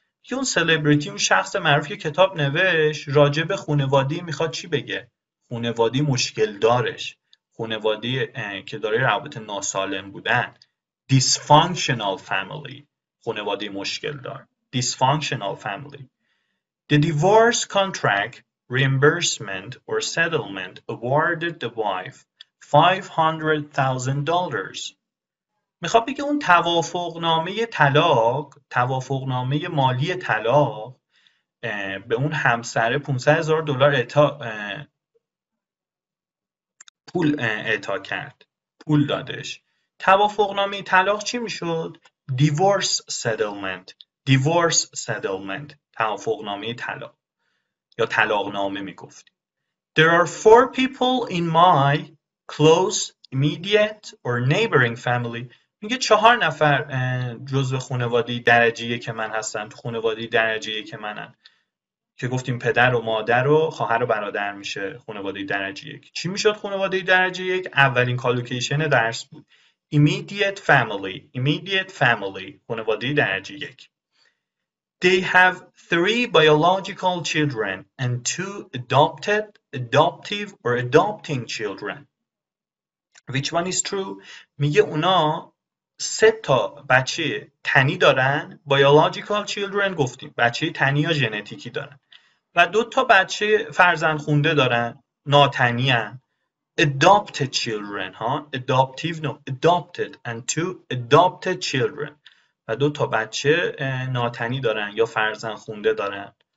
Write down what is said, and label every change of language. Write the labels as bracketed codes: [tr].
[fa] یون سلبریتی، اون شخص معروف، که کتاب نوشت راجع به خانواده، میخواد چی بگه؟ خانواده مشکل دارش، خانواده که داره روابط ناسالم بودن. [en] Dysfunctional family، [fa] خانواده مشکل دار. [en] Dysfunctional family. The divorce contract reimbursement or settlement awarded the wife $500,000. [fa] میخواد بگه اون توافقنامه طلاق، توافقنامه مالی طلاق به اون همسر $500,000 اعطا، پول اعطا کرد، پول دادش. توافقنامه طلاق چی میشد؟ [en] divorce settlement. divorce settlement، [fa] توافقنامه طلاق یا طلاق نامه میگفت. [en] There are four people in my close immediate or neighboring family. [fa] میگه چهار نفر جزو خانواده درجه یک که من هستن، تو خانواده درجه یک که منن، که گفتیم پدر و مادر و خواهر و برادر میشه خانواده درجه یک. چی میشد خانواده درجه یک؟ اولین کالوکیشن درس بود. [en] Immediate family. Immediate family، [fa] خانواده درجه یک. [en] They have three biological children and two adopted, adoptive or adopting children. Which one is true؟ [fa] میگه اونا سه تا بچه تنی دارن، [en] biological children [fa] گفتیم، بچه تنی یا ژنتیکی دارن، و دو تا بچه فرزند خونده دارن، ناتنی هن. [en] Adopted children، ها؟ adoptive، no، adopted and two adopted children، [fa] و دو تا بچه ناتنی دارن یا فرزند خونده دارن.